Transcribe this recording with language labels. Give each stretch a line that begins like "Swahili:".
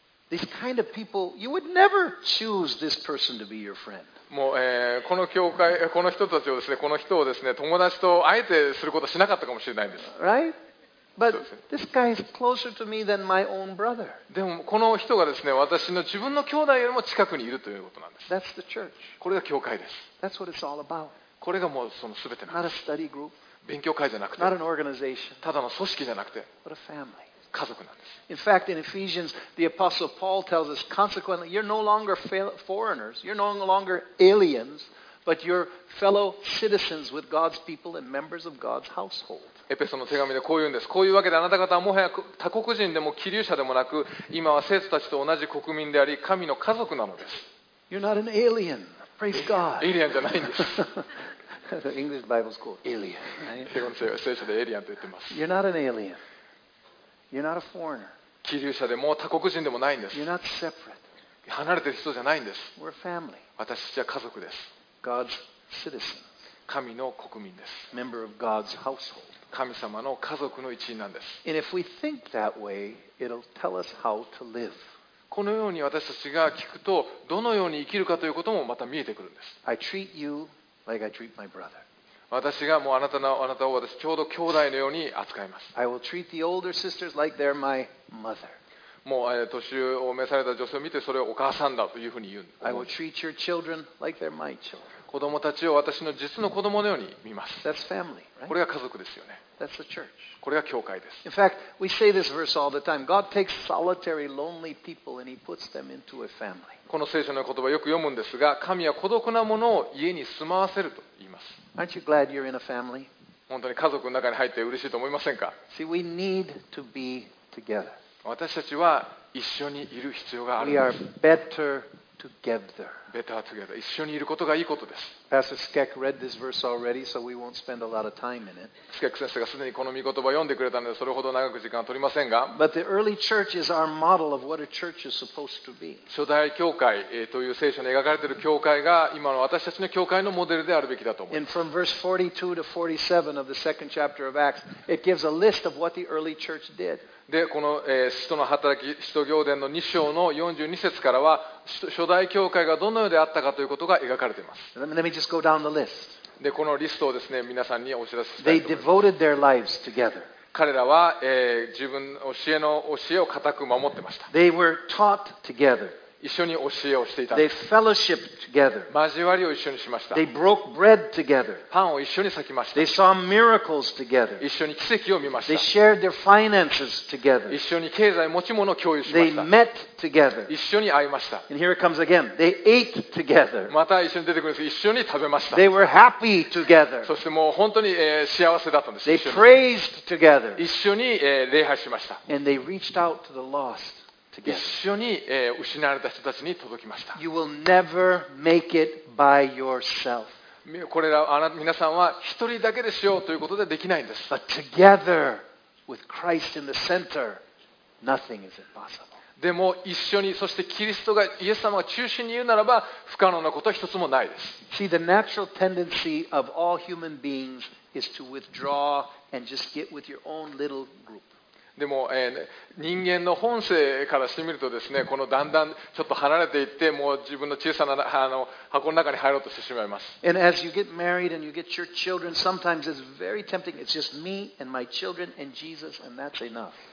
English: These kind of people, you would never choose this person to be your friend.
Japanese: もう、この教会、この人たちをですね、この人をですね、友達とあえてすることはしなかったかもしれないんです。
English: Right? But this guy is closer to me than my own brother.
Japanese: でもこの人がですね、私の自分の兄弟よりも近くにいるということなんです。
English: That's the church.
Japanese: これが教会です。
English: That's what it's all about.
Japanese: これがもうその全てなんです。
English: Not a study group.
Japanese: 勉強会じゃなくて。
English: Not an organization.
Japanese: ただの組織じゃなくて。
English: But a family.
Japanese: 家族なんです。
English: In fact, in Ephesians, the apostle Paul tells us, consequently, you're no longer foreigners, you're no longer aliens, but you're fellow citizens with God's people and members of God's household.
Japanese: エペソの手紙でこう言うんです。こういうわけであなた方はもはや他国人でも寄留者でもなく、今は聖徒たちと同じ国民であり、神の家族なのです。
English: You're not an alien. Praise God.
Japanese: エイリアンじゃないんです。
English: The English Bible's called alien.
Japanese: 英語の聖書でエイリアンと言ってます。
English: You're not an alien. You're not a foreigner.
Japanese: 寄留者でも他国人でもないんです。
English: You're not separate.
Japanese: 離れてる人じゃないんです。
English: We're family.
Japanese: 私たちは家族です。
English: God's citizen.
Japanese: 神の国民です。
English: Member of God's household.
Japanese: 神様の家族の一員なんです。
English: And if we think that way, it'll tell us how to live.
Japanese: このように私たちが聞くと、どのように生きるかということもまた見えてくるんです。
English: I treat you like I treat my brother.
Japanese: 私がもうあなたを私ちょうど兄弟のように扱います。
English: I will treat the older sisters like they're my mother.
Japanese: もう年を召された女性を見てそれをお母さんだというふうに言う。
English: I will treat your children like they're my children.
Japanese: 子供たちを私の実の子供のように見ます。
English: That's family, right?
Japanese: これが家族ですよね。
English: That's the church.
Japanese: これが教会です。
English: In fact, we say this verse all the time. God takes solitary, lonely people and He puts them into a family.
Japanese: この聖書の言葉をよく読むんですが、神は孤独なものを家に住まわせると言います。
English: Aren't you glad you're in a family?
Japanese: 本当に家族の中に入って嬉しいと思いませんか?
English: See, we need to be together.
Japanese: 私たちは一緒にいる必要があるんです。
English: We are better together. Better together.
Japanese: 一緒にいることがいいことです。
English: Pastor Skek read this verse already, so we won't spend a lot of time in it.
Japanese: Skek 先生がすでにこの御言葉を読んでくれたので、それほど長く時間は取りませんが。
English: But the early church is our model of what a church is supposed to be.
Japanese: 初代教会という聖書に描かれている教会が今の私たちの教会のモデルであるべきだと思います。
English: And from verse 42 to 47 of the second chapter of Acts, it gives a list of what the early church did.
Japanese: でこの、使徒の働き、使徒行伝の2章の42節からは初代教会がどのようであったかということが描かれています。
English: Let me just go down the list.
Japanese: でこのリストをですね、皆さんにお知らせしたいと思います。
English: They devoted their lives together.
Japanese: 彼らは、自分の教えの教えを固く守ってました。
English: They were taught together.
Japanese: 一緒に教えをしていたんです。
English: They fellowshipped together.
Japanese: 交わりを一緒にしました。
English: They broke bread together.
Japanese: パンを一緒に裂きました。
English: They saw miracles together.
Japanese: 一緒に奇跡を見ました。
English: They shared their finances together.
Japanese: 一緒に経済持ち物を共有しました。
English: They met together.
Japanese: 一緒に会いました。
English: And here it comes again. They ate together.
Japanese: また一緒に出てくるんですが、一緒に食べました。
English: They were happy together.
Japanese: そしてもう本当に、幸せだったんです。
English: They praised together.
Japanese: 一緒に、礼拝しました。
English: And they reached out to the lost.
Japanese: 一緒に、失われた人たちに届きました。
English: You will never make it by yourself.
Japanese: これら皆さんは一人だけでしようということでできないんです。
English: But together with Christ in the center, nothing is impossible.
Japanese: でも一緒に、そしてキリストがイエス様が中心にいるならば不可能なことは一つもないです。
English: See, the natural tendency of all human beings is to withdraw and just get with your own little group.
Japanese: でも、人間の本性からしてみるとですね、このだんだんちょっと離れていって、もう自分の小さなあの箱の中に入ろうとしてしまいます。
English: And as you get married and you get your children, sometimes it's very tempting. It's just me and my children and Jesus, and that's enough.